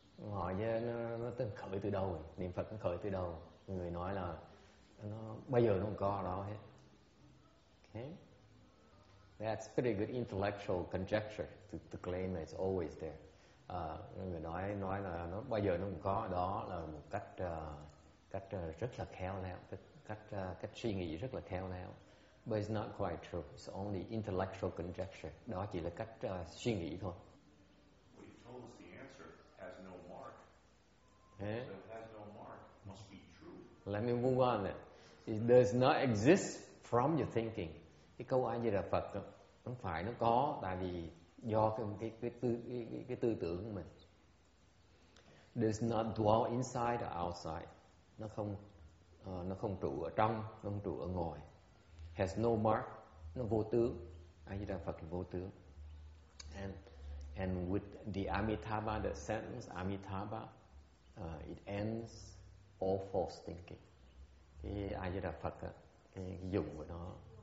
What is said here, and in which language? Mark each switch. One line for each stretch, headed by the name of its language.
Vietnamese: Hỏi chứ nó từng khởi từ đâu rồi? Niệm Phật nó khởi từ đâu? Người nói là nó bây giờ nó không có đó hết.
English: Okay. That's pretty good intellectual conjecture to claim that it's always there.
Vietnamese: Người nói là nó bây giờ nó không có đó là một cách cách rất là khéo léo, cách suy nghĩ rất là khéo léo.
English: But it's not quite true. It's only intellectual conjecture.
Vietnamese: Đó chỉ là cách suy nghĩ thôi.
English: We told us the answer has no mark. Eh? So it has no mark. Must be true. Let me move on then. It does not exist from your thinking.
Vietnamese: Cái câu A Di Đà Phật đó, không phải nó có, tại vì do cái tư tưởng của mình.
English: Does not dwell inside or outside.
Vietnamese: Nó không trụ ở trong, nó không trụ ở ngoài.
English: Has no mark,
Vietnamese: nó vô tướng. A Di Đà Phật vô tướng.
English: And with the Amitabha, the sentence Amitabha, it ends all false thinking.
Vietnamese: Cái A Di Đà Phật á, cái dùng của nó